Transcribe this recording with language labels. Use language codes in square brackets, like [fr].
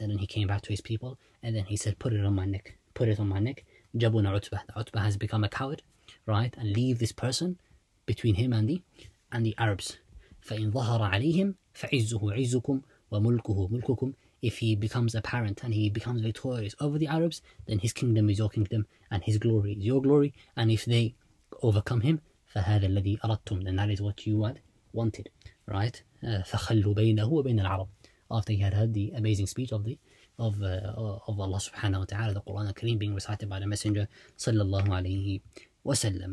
[en] And then he came back to his people and then he said put it on my neck. جبنا Utbah, the Utbah has become a coward, right? And leave this person between him and the Arabs. [ar] فإن ظهر عليهم فعزه عزكم وملكه ملككم. [en] If he becomes apparent and he becomes victorious over the Arabs, then his kingdom is your kingdom and his glory is your glory. And if they overcome him, [ar] فَهَذَا الَّذِي أَرَدْتُمْ, [en] then that is what you had wanted, right? [ar] فَخَلُّ بَيْنَهُ وَبَيْنَ الْعَرَبِ. [en] After he had heard the amazing speech of Allah subhanahu wa ta'ala, the Qur'an al-Kareem being recited by the Messenger sallallahu alayhi wa sallam.